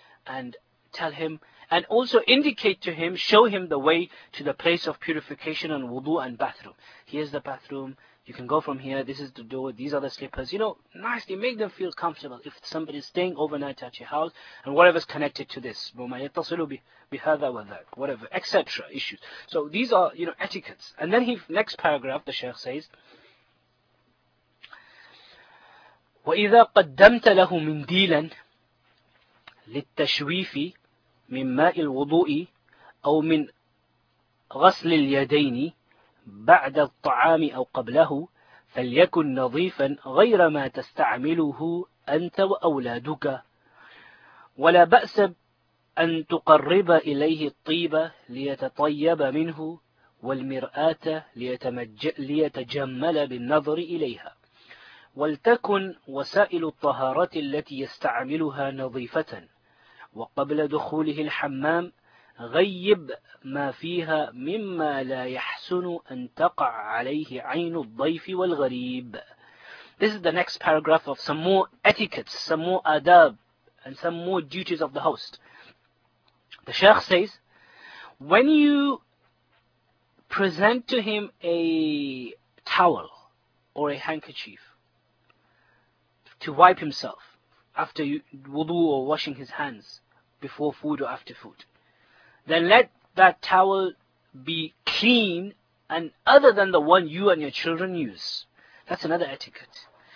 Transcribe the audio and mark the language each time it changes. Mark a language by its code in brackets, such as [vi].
[en] And tell him. And also indicate to him. Show him the way to the place of purification and wudu and bathroom. Here's the bathroom. you can go from here, this is the door, these are the slippers, you know, nicely, make them feel comfortable. If somebody is staying overnight at your house, and whatever's connected to this, whatever, etc. issues. So these are, you know, etiquettes. And then he, next paragraph, the Shaykh says, [ar] وَإِذَا قَدَّمْتَ لَهُ مِنْدِيلًا لِلتَّشْوِيفِ مِنْ مَاءِ الْوُضُوءِ أَوْ مِنْ غَسْلِ الْيَدَيْنِ بعد الطعام أو قبله فليكن نظيفا غير ما تستعمله أنت وأولادك ولا بأس أن تقرب إليه الطيب ليتطيب منه والمرآة ليتجمل بالنظر إليها ولتكن وسائل الطهارة التي يستعملها نظيفة وقبل دخوله الحمام غيب ما فيها مما لا يحسن أن تقع عليه عين الضيف والغريب. [en] This is the next paragraph of some more etiquettes, some more adab, and some more duties of the host. The Shaykh says, when you present to him a towel or a handkerchief to wipe himself after wudu or washing his hands before food or after food, then let that towel be clean and other than the one you and your children use. That's another etiquette.